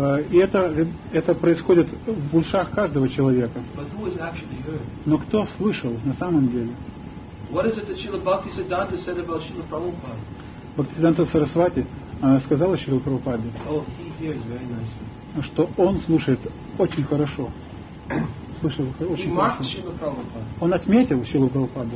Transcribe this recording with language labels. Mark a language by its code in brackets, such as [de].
[ru] И это происходит в ушах каждого человека. Но кто слышал на самом деле? [en] What is it that Srila Bhaktisiddhanta said about Srila Prabhupada? [ru] Bhaktisiddhanta Sarasvati сказал о Шриле Прабхупаде. [en] Oh, he hears very nicely. [ru] Что он слушает очень хорошо. Слышал очень [en] he [ru] хорошо. [en] Marked Srila Prabhupada. [ru] Он отметил Шрилу Прабхупаду.